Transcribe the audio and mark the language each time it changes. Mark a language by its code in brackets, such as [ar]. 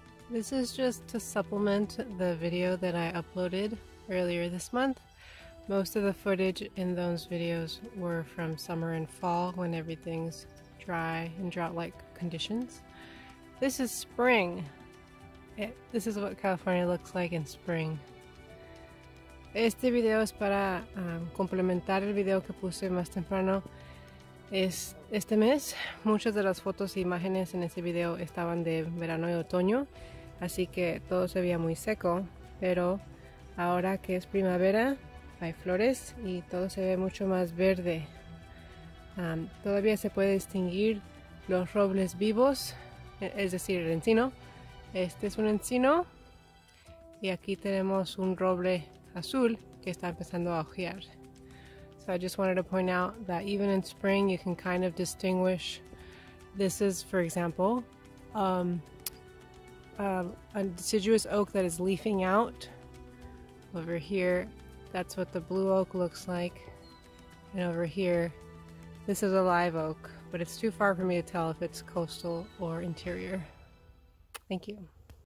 [en] This is just to supplement the video that I uploaded earlier this month. Most of the footage in those videos were from summer and fall when everything's dry and drought-like conditions. This is spring. This is what California looks like in spring. [es] Este video es para complementar el video que puse más temprano. Es este mes. Muchas de las fotos e imágenes en ese video estaban de verano y otoño. Así que todo se veía muy seco, pero ahora que es primavera, hay flores y todo se ve mucho más verde. Todavía se puede distinguir los robles vivos, es decir, el encino. Este es un encino y aquí tenemos un roble azul que está empezando a hojear. [en] So I just wanted to point out that even in spring you can kind of distinguish. This is, for example, a deciduous oak that is leafing out over here. That's what the blue oak looks like. And over here, this is a live oak, but it's too far for me to tell if it's coastal or interior. Thank you.